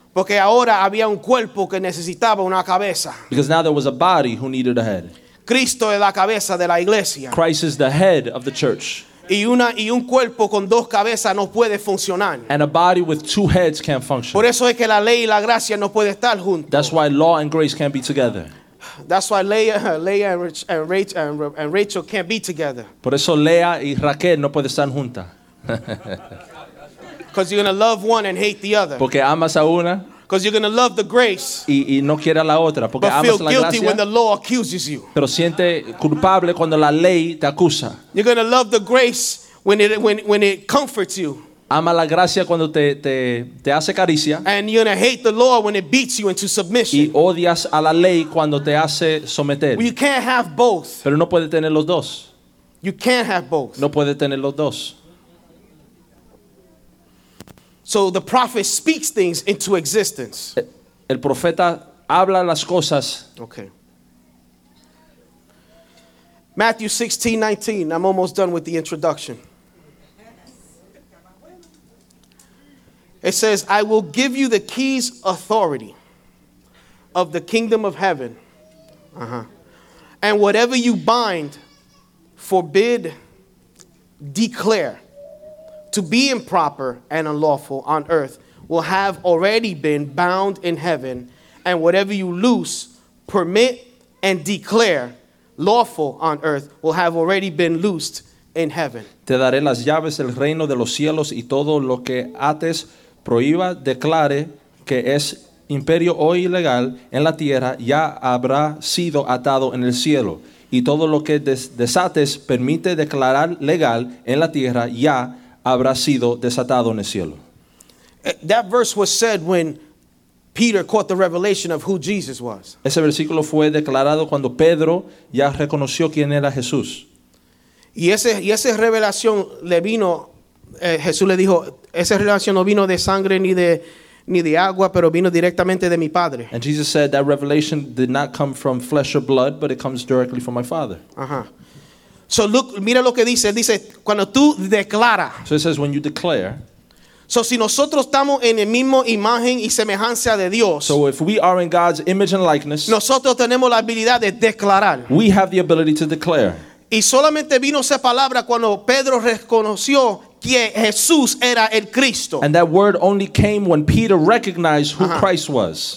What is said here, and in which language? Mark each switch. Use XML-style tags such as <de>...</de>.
<es>Porque ahora había un cuerpo que necesitaba una cabeza.</es> <en>Because now there was a body who needed a head.</en> <es>Cristo es la cabeza de la iglesia.</es> <en>Christ is the head of the church.</en> <es>Y un cuerpo con dos cabezas no puede funcionar.</es> <en>And a body with two heads can't function.</en> <es>Por eso es que la ley y la gracia no puede estar juntos.</es> <en>That's why law and grace can't be together. That's why Leah and Rachel can't be together.</en> <es>Por eso Lea y Raquel no puede estar junta.</es> <en>Because you're gonna love one and hate the other.</en> <es>Porque amas a una.</es> <en>Because you're gonna love the grace.</en> <es>Y no quiere la otra. Porque</es> <en>but</en> <es>amas</es> <en>feel</en> <es>la</es> <en>guilty</en> <es>gracia,</es> <en>when the law accuses you.</en> <es>Pero siente culpable cuando la ley te acusa.</es> <en>You're gonna love the grace when it comforts you.</en> <es>Ama la gracia cuando te hace caricia.</es> <en>And you're gonna hate the law when it beats you into submission.</en> <es>Y odias a la ley cuando te hace someter.</es> <en>Well, you can't have both.</en> <es>Pero no puede tener los dos.</es> <en>You can't have both.</en> <es>No puede tener los dos.</es> <en>So the prophet speaks things into existence.</en> <es>El profeta habla las cosas.</es> <en>Okay. Matthew 16:19. I'm almost done with the introduction. It says, I will give you the keys authority of the kingdom of heaven. And whatever you bind, forbid, declare to be improper and unlawful on earth will have already been bound in heaven. And whatever you loose, permit, and declare lawful on earth will have already been loosed in heaven.</en> <es>Te daré las llaves del reino de los cielos y todo lo que ates, prohíba, declare que es imperio o ilegal en la tierra ya habrá sido atado en el cielo. Y todo lo que desates, permite declarar legal en la tierra ya habrá sido desatado en el cielo.</es> <en>That verse was said when Peter caught the revelation of who Jesus was.</en> <es>Ese versículo fue declarado cuando Pedro ya reconoció quién era Jesús. Y esa revelación le vino, Jesús le dijo, esa revelación no vino de sangre ni de agua, pero vino directamente de mi Padre.</es> <en>And Jesus said that revelation did not come from flesh or blood, but it comes directly from my Father. So look,</en> <es>mira lo que dice. Él dice, cuando tú declaras.</es> <en>So it says, when you declare.</en> <es>So si nosotros estamos en el mismo imagen y semejanza de Dios.</es> <en>So if we are in God's image and likeness.</en> <es>Nosotros tenemos la habilidad de declarar.</es> <en>We have the ability to declare.</en> <es>Y solamente vino esa palabra cuando Pedro reconoció que Jesús era el Cristo.</es> <en>And that word only came when Peter recognized who Christ was.</en>